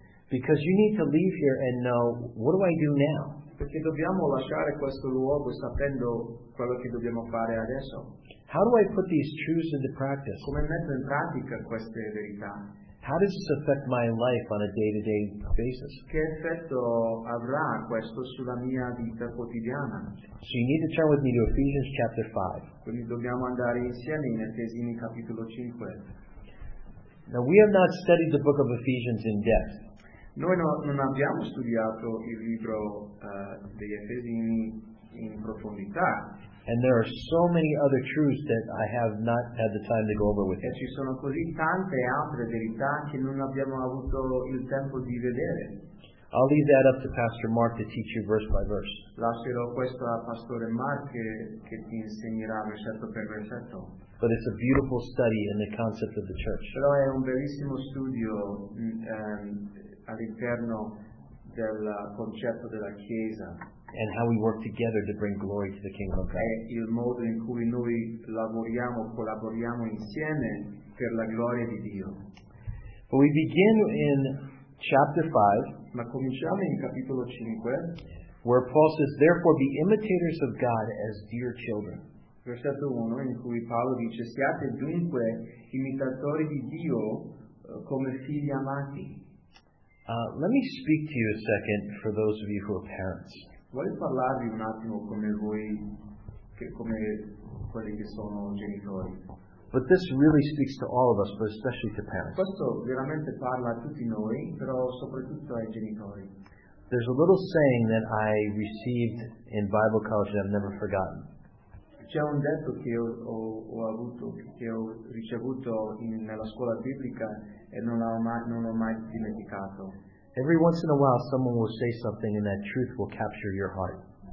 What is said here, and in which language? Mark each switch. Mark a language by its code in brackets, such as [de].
[en] Because you need to leave here and know, what do I do now? [it] Perché dobbiamo lasciare questo luogo sapendo quello che dobbiamo fare adesso. [en] How do I put these truths into practice? [it] Come metto in pratica queste verità? [en] How does this affect my life on a day-to-day basis? [it] Che effetto avrà questo sulla mia vita quotidiana? [en] So you need to turn with me to Ephesians chapter 5. [it] Quindi dobbiamo andare insieme in Efesini capitolo 5. [en] Now we have not studied the book of Ephesians in depth. [it] Noi non abbiamo studiato il libro degli Efesini in profondità. [en] And there are so many other truths that I have not had the time to go over with you. [it] Ci sono così tante altre verità che non abbiamo avuto il tempo di vedere. [en] I'll leave that up to Pastor Mark to teach you verse by verse. [it] Lascerò questo a Pastore Mark che ti insegnerà versetto per versetto. [en] But it's a beautiful study in the concept of the church. [it] Però è un bellissimo studio all'interno del concetto della Chiesa. [en] And how we work together to bring glory to the kingdom of God. [it] È il modo in cui noi lavoriamo, collaboriamo insieme per la gloria di Dio. [en] But we begin in chapter 5. [it] Ma cominciamo in capitolo 5. [en] Where Paul says, therefore be imitators of God as dear children. [it] Versetto 1, in cui Paolo dice, siate dunque imitatori di Dio come figli amati. [en] Let me speak to you a second for those of you who are parents. [it] Voglio parlarvi un attimo come voi, come quelli che sono genitori. [en] But this really speaks to all of us, but especially to parents. [it] Questo veramente parla a tutti noi, però soprattutto ai genitori. [en] There's a little saying that I received in Bible college that I've never forgotten. [it] C'è un detto che ho ricevuto nella scuola biblica e non l'ho mai dimenticato. [en] Every once in a while someone will say something and that truth will capture your heart.